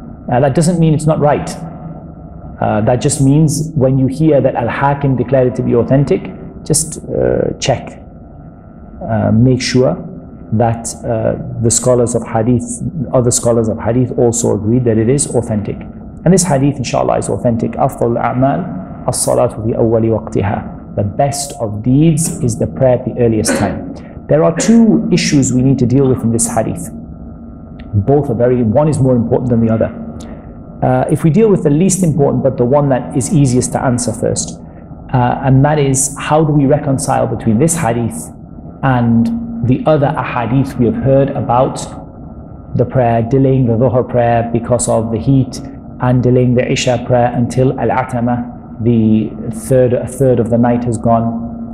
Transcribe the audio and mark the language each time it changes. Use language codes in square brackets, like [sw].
[en] Now, that doesn't mean it's not right. That just means when you hear that Al-Hakim declared it to be authentic, just check. Make sure that the scholars of hadith, other scholars of hadith also agreed that it is authentic. And this hadith, inshallah, is authentic. [ar] أفضل الأعمال الصلاة في أول وقتها. [en] The best of deeds is the prayer at the earliest time. There are two issues we need to deal with in this hadith. Both are very, one is more important than the other. If we deal with the least important, but the one that is easiest to answer first, and that is, how do we reconcile between this hadith and the other ahadith we have heard about the prayer, delaying the Dhuhr prayer because of the heat, and delaying the Isha prayer until Al-Atama, the third of the night has gone.